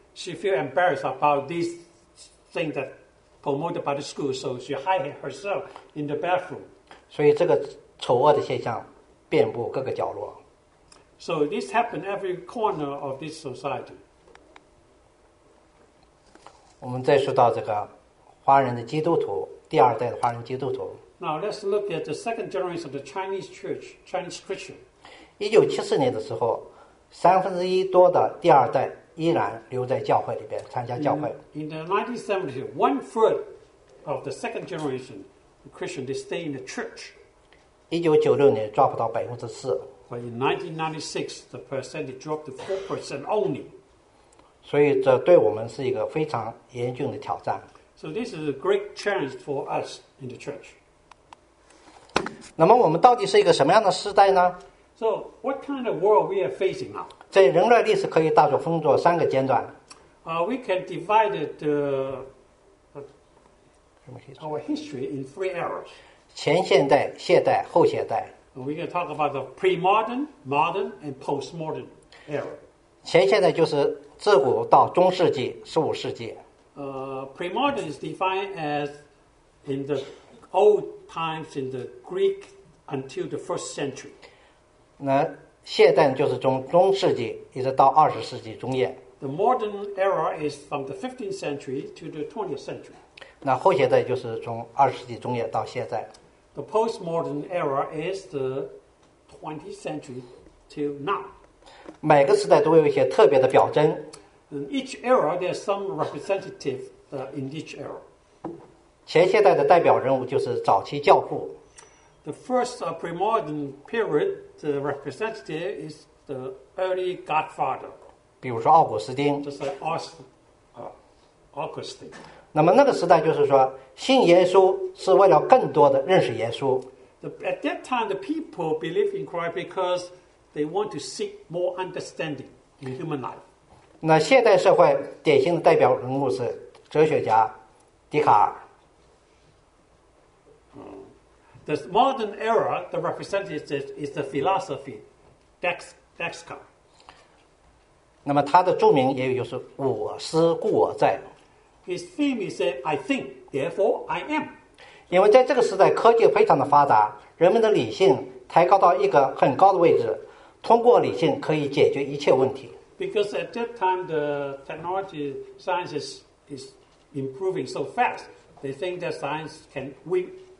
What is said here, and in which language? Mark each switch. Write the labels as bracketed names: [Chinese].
[English] She feel embarrassed about this thing that promoted by the school, so she hide herself in the bathroom. [Chinese] 所以这个丑恶的现象遍布各个角落。 [English] So this happened every corner of this society. [Chinese] 我们再说到这个华人的基督徒，第二代的华人基督徒。 [English] Now let's look at the second generation of the Chinese church, Chinese Christian. [Chinese] 1974年的时候，三分之一多的第二代依然留在教会里边参加教会。 [English] In the 1970s, one third of the second generation Christian they stay in the church. [Chinese] 1996年 dropped 到4%。 [English] But in 1996, the percentage dropped to 4% only. [Chinese] 所以这对我们是一个非常严峻的挑战。 [English] So this is a great challenge for us in the church. [Chinese] 那么我们到底是一个什么样的时代呢 [English] ？So what kind of world we are facing now？ [Chinese] 在人类历史可以大致分作三个阶段。 [English] We can divide our history in three eras： [Chinese] 前现代、现代、后现代。 [English] We can talk about the pre-modern, modern, and post-modern era。 [Chinese] 前现代就是自古到中世纪、十五世纪。 [English] Pre-modern is defined as in the old times in the Greek until the first century. [Chinese] 那现代就是从中世纪一直到二十世纪中叶。 [English] The modern era is from the 15th century to the 20th century. [Chinese] 那后现代就是从二十世纪中叶到现在。 [English] The postmodern era is the 20th century till now. [Chinese] 每个时代都有一些特别的表征。 [English] In each era, there's some representative in each era. [Chinese] 前现代的代表人物就是早期教父。 [English] The first pre-modern period, the representative is the early godfather. [Chinese] 比如说奥古斯丁。 [English] Just like Augustine. [Chinese] 那么那个时代就是说，信耶稣是为了更多的认识耶稣。 [English] At that time, the people believe in Christ because they want to seek more understanding in human life. [Chinese] 那现代社会典型的代表人物是哲学家笛卡尔。 [English] The modern era, the representative is the philosophy, Descartes. [Chinese] 那么他的著名也就是我思故我在。 [English] His theme is that I think, therefore I am. [Chinese] 因为在这个时代科技非常的发达，人们的理性抬高到一个很高的位置，通过理性可以解决一切问题。 [English] Because at that time the technology science is improving so fast, they think that science can win.